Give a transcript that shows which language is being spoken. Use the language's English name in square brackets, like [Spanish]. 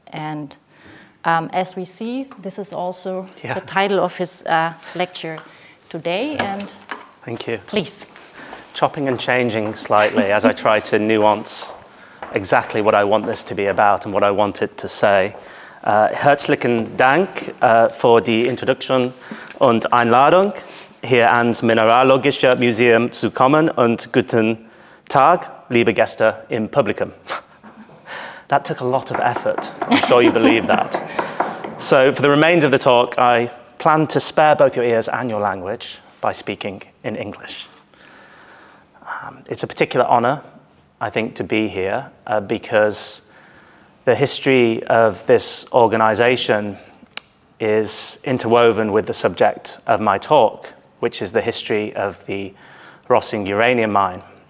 [English] And as we see, this is also the title of his lecture today, and thank you. Please. Chopping and changing slightly as I try to nuance exactly what I want this to be about and what I want it to say. [German] Herzlichen Dank for die Introduction und Einladung hier ans Mineralogische Museum zu kommen und guten Tag, liebe Gäste im Publikum. [English] That took a lot of effort. I'm sure you believe that. So for the remainder of the talk, I plan to spare both your ears and your language by speaking in English. It's a particular honor, I think, to be here because the history of this organization is interwoven with the subject of my talk, which is the history of the Rössing uranium mine.